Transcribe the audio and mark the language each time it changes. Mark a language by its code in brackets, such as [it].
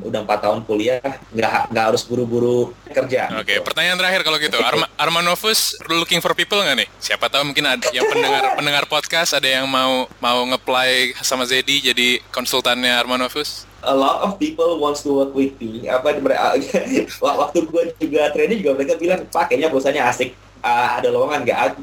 [id] Udah 4 tahun kuliah, nggak harus buru-buru kerja. Oke, okay, gitu. Pertanyaan terakhir kalau gitu, Armanovus [en] looking for people [id] nggak nih? Siapa tahu mungkin ada yang pendengar podcast ada yang mau nge-apply sama Zedi jadi konsultannya Armanovus. [en] A lot of people wants to work with me. [id] Waktu gue juga training juga mereka bilang, Pak, kayaknya perusahaannya asik, ada lowongan nggak?